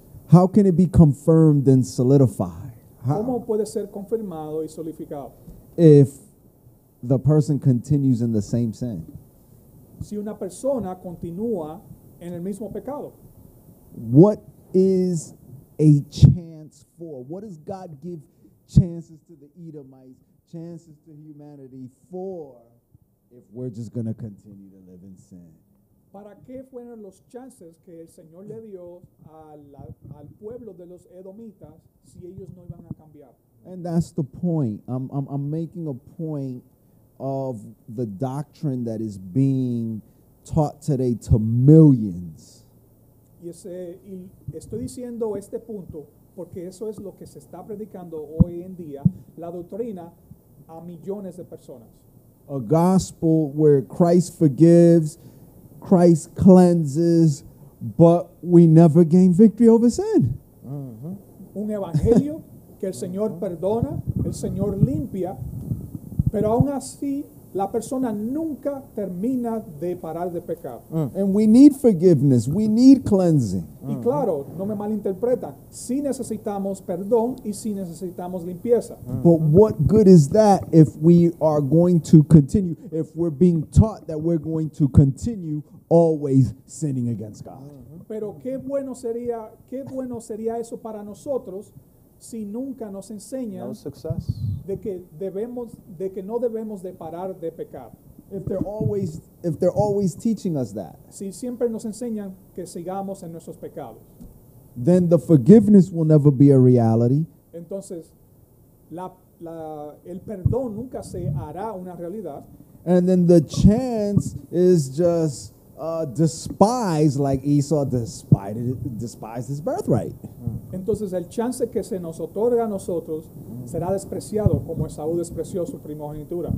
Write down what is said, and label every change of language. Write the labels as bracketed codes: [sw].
[en] How can it be confirmed and solidified? How? [es] ¿Cómo puede ser confirmado y solidificado? [en] If the person continues in the same sin. [es] Si una persona continúa en el mismo pecado. [en] What is a chance for? What does God give chances to the Edomites, chances to humanity for if we're just going to continue to live in sin? [es] ¿Para qué fueron los chances que el Señor le dio al pueblo de los Edomitas si ellos no iban a cambiar? [en] And that's the point. I'm making a point of the doctrine that is being taught today to millions. [es] Y estoy diciendo este punto porque eso es lo que se está predicando hoy en día, la doctrina a millones de personas. [en] A gospel where Christ forgives, Christ cleanses, but we never gain victory over sin. Uh-huh. [es] Un evangelio que el Señor perdona, el Señor limpia, pero aún así la persona nunca termina de parar de pecar. [en] And we need forgiveness. We need cleansing. [es] Y claro, no me malinterpreta. Sí necesitamos perdón y sí necesitamos limpieza. [en] But what good is that if we are going to continue, if we're being taught that we're going to continue always sinning against God? [es] Pero qué bueno sería eso para nosotros si nunca nos enseñan [en] no success. [es] de que no debemos de parar de pecar. [en] If they're always teaching us that. [es] Si siempre nos enseñan que sigamos en nuestros pecados. [en] Then the forgiveness will never be a reality. [es] Entonces el perdón nunca se hará una realidad. [en] And then the chance is just despise like Esau despised his birthright. [es] Entonces el chance que se nos otorga a nosotros será despreciado como Esaú despreció su primogenitura.